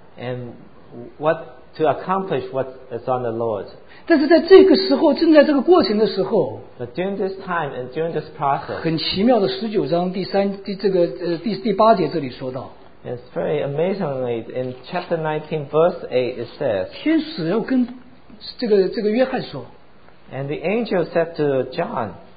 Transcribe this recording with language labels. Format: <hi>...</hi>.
<en>And what to accomplish what is on the Lord.</en> <zh>但是在这个时候, 正在这个过程的时候,</zh> <en>but during this time and during this process,</en> <zh>很奇妙的, 19章第8节这里说到,</zh> <en>it's very amazingly in chapter 19, verse 8, it says,</en> <zh>天使要跟这个约翰说,</zh> <en>and the angel said to John,</en>